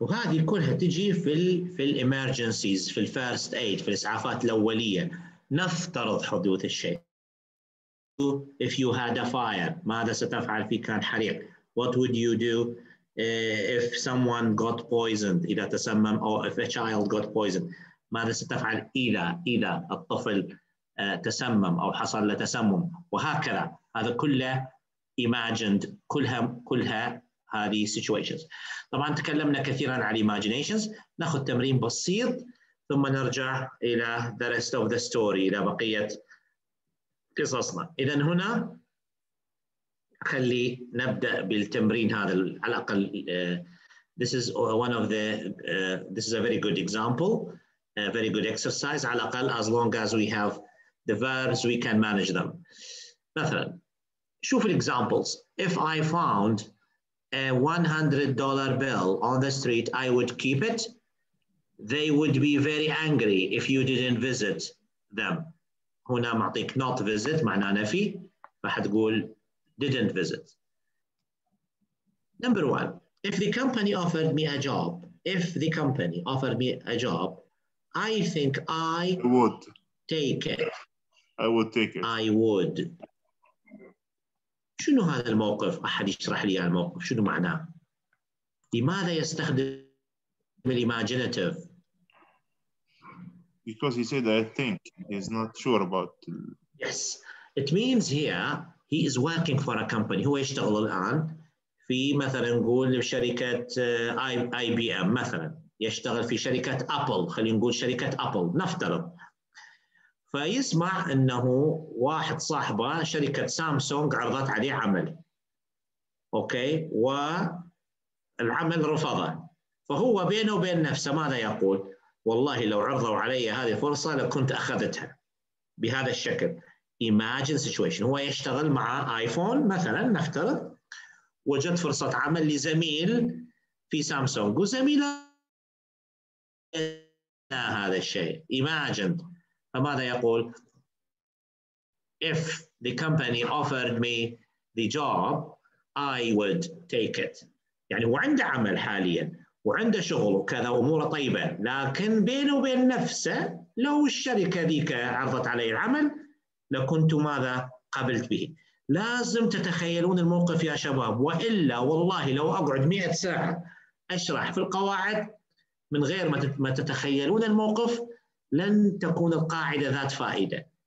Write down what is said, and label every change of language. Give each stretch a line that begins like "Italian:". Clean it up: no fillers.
Arabic: وهذه كلها تجي في الemergencies, في الfirst aid, في الإسعافات الأولية. نفترض حدوث الشيء.
English: If you had a fire,
Arabic: ماذا ستفعل في كان حريق?
English: What would you do if someone got poisoned?
Arabic: إذا تسمم
English: or if a child got poisoned,
Arabic: ماذا ستفعل إذا الطفل تسمم أو حصل له تسمم? وهكذا هذا كله imagined كلها هذه situations. طبعا تكلمنا كثيرا على imaginations. نأخذ تمرين بسيط ثم نرجع إلى
English: the rest of the story
Arabic: إلى بقية. قصصنا. إذن هنا خلي نبدأ بالتمرين هذا على الأقل.
English: This is one of the this is a very good example, a very good exercise.
Arabic: على الأقل
English: as long as we have the verbs, we can manage them.
Arabic: مثلاً شوف
English: examples. If I found a $100 bill on the street, I would keep it. They would be very angry if you didn't visit them.
Arabic: هنا معطيك
English: not visit
Arabic: معناه نفي فحتقول
English: didn't visit. Number one, if the company offered me a job, if the company offered me a job, I think I would take it. I would take it. I would.
Arabic: شنو هذا الموقف؟ أحد يشرح لي الموقف شنو معناه؟ لماذا يستخدم الإيماجيناتيف؟
English: Because he said, I think, he's not sure about... Yes, it means here, he is working for a company.
Arabic: هو يشتغل الآن في مثلا نقول شركة IBM مثلا. يشتغل في شركة أبل. خلينا نقول شركة أبل. نفترض. فيسمع أنه واحد صاحبه شركة سامسونج عرضت عليه عمل. أوكي؟ والعمل رفضه. فهو بينه وبين نفسه ماذا يقول؟ والله لو عرضوا علي هذه الفرصة لكنت أخذتها بهذا الشكل.
English: Imagine situation.
Arabic: هو يشتغل مع آيفون مثلاً نفترض وجد فرصة عمل لزميل في سامسونج وزميل هذا الشيء. Imagine. فماذا يقول?
English: If the company offered me the job, I would take it.
Arabic: يعني هو عنده عمل حالياً. وعنده شغل وكذا أموره طيبة لكن بينه وبين نفسه لو الشركة ذيك عرضت عليه العمل لكنت ماذا قبلت به. لازم تتخيلون الموقف يا شباب وإلا والله لو أقعد 100 ساعة أشرح في القواعد من غير ما تتخيلون الموقف لن تكون القاعدة ذات فائدة.